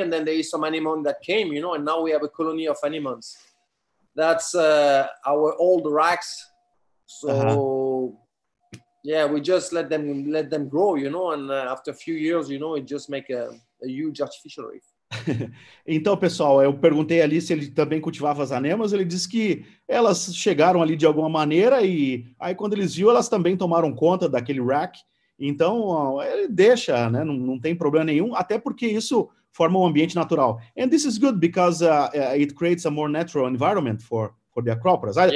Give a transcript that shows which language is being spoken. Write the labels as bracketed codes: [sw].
[en] And then there is some anemone that came, you know, and now we have a colony of anemones. That's our old racks. So... Yeah, we just let them grow, you know, and after a few years, you know, it just make a huge artificial reef. [pt] Então, pessoal, eu perguntei ali se ele também cultivava as anemas, ele disse que elas chegaram ali de alguma maneira e aí quando eles viu, elas também tomaram conta daquele rack. Então, ele deixa, né, não tem problema nenhum, até porque isso forma um ambiente natural. [en] And this is good because it creates a more natural environment for the acropora.